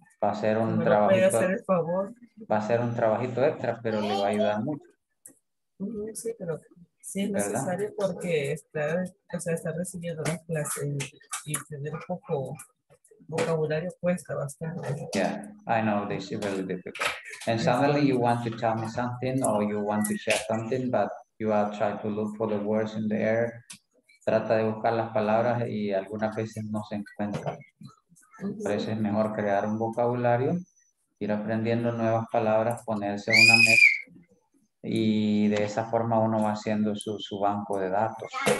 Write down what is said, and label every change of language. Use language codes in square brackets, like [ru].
[es] Va a ser un trabajito. ¿Puede hacer el favor? Va a ser un trabajito extra, pero le va a ayudar mucho. Sí, pero sí es necesario, ¿verdad? Porque está recibiendo las clases y tener poco vocabulario cuesta bastante. [en] Yeah, I know, this is really difficult. And suddenly you want to tell me something or you want to share something, but you are trying to look for the words in the air. [es] Trata de buscar las palabras y algunas veces no se encuentran. Por eso es mejor crear un vocabulario, ir aprendiendo nuevas palabras, ponerse una meta y de esa forma uno va haciendo su banco de datos.